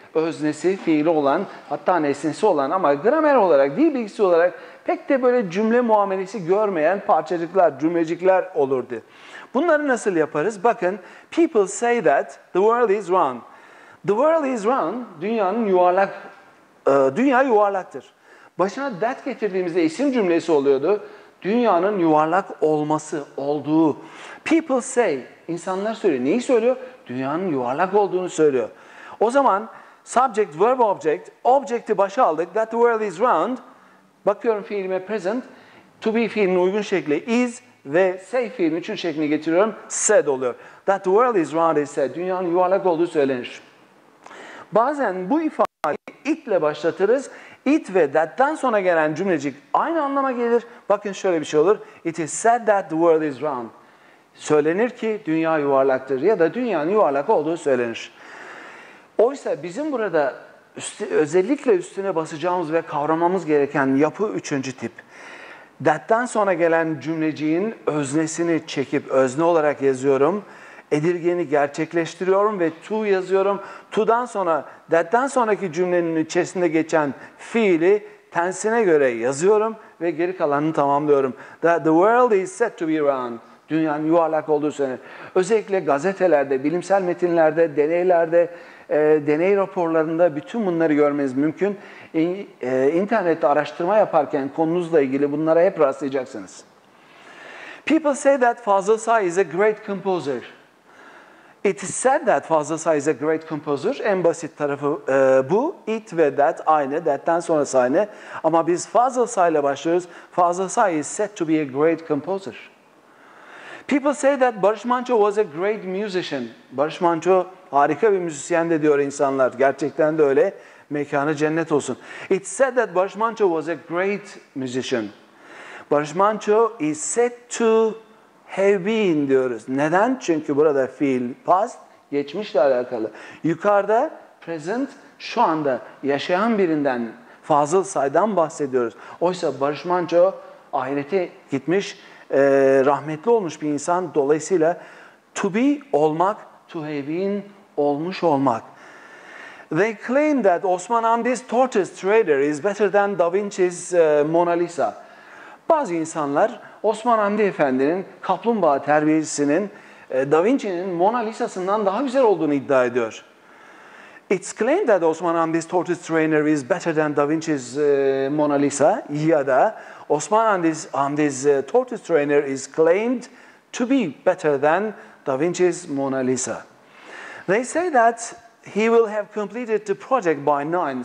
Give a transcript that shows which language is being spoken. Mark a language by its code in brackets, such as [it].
[tr] Öznesi, fiili olan, hatta nesnesi olan ama gramer olarak, dil bilgisi olarak pek de böyle cümle muamelesi görmeyen parçacıklar, cümlecikler olurdu. Bunları nasıl yaparız? Bakın, [en] people say that the world is round. The world is round, [tr] dünyanın yuvarlak, dünya yuvarlaktır. Başına that getirdiğimizde isim cümlesi oluyordu. Dünyanın yuvarlak olması, olduğu. [en] People say, [tr] insanlar söylüyor. Neyi söylüyor? Dünyanın yuvarlak olduğunu söylüyor. O zaman subject, verb, object. Object'i başa aldık. [en] That the world is round. [tr] Bakıyorum fiilime present. To be fiilinin uygun şekli is ve say fiilinin üçüncü şeklini getiriyorum. Said oluyor. [en] That the world is round is said. [tr] Dünyanın yuvarlak olduğu söylenir. Bazen bu ifadeyi it'le başlatırız. It ve that'tan sonra gelen cümlecik aynı anlama gelir. Bakın şöyle bir şey olur. [en] It is said that the world is round. [tr] Söylenir ki dünya yuvarlaktır ya da dünyanın yuvarlak olduğu söylenir. Oysa bizim burada özellikle üstüne basacağımız ve kavramamız gereken yapı üçüncü tip. That'tan sonra gelen cümleciğin öznesini çekip özne olarak yazıyorum. Edirgeni gerçekleştiriyorum ve to yazıyorum. To'dan sonra, that'tan sonraki cümlenin içerisinde geçen fiili tense'ine göre yazıyorum ve geri kalanını tamamlıyorum. [en] That the world is said to be round. [tr] Dünyanın yuvarlak olduğu söylenir. Özellikle gazetelerde, bilimsel metinlerde, deneylerde, deney raporlarında bütün bunları görmeniz mümkün. İnternette araştırma yaparken konunuzla ilgili bunlara hep rastlayacaksınız. [en] People say that Fazıl Say is a great composer. It is said that Fazıl Say is a great composer. [tr] En basit tarafı bu. It ve that aynı. That'tan sonra aynı. Ama biz Fazıl Say ile başlıyoruz. [en] Fazıl Say is said to be a great composer. People say that Barış Manço was a great musician. [tr] Barış Manço harika bir müzisyen de diyor insanlar. Gerçekten de öyle. Mekanı cennet olsun. [en] It said that Barış Manço was a great musician. Barış Manço is said to have been [tr] diyoruz. Neden? Çünkü burada fiil past, geçmişle alakalı. Yukarıda present, şu anda yaşayan birinden Fazıl Say'dan bahsediyoruz. Oysa Barış Manço ahirete gitmiş, rahmetli olmuş bir insan. Dolayısıyla to be olmak, to have been olmuş olmak. [en] They claim that Osman Hamdi's tortoise trader is better than Da Vinci's Mona Lisa. [tr] Bazı insanlar Osman Hamdi Efendi'nin kaplumbağa terbiyecisinin Da Vinci'nin Mona Lisa'sından daha güzel olduğunu iddia ediyor. [en] It's claimed that Osman Hamdi's tortoise trainer is better than Da Vinci's Mona Lisa. [tr] Ya da [en] Osman Hamdi's tortoise trainer is claimed to be better than Da Vinci's Mona Lisa. They say that he will have completed the project by 9.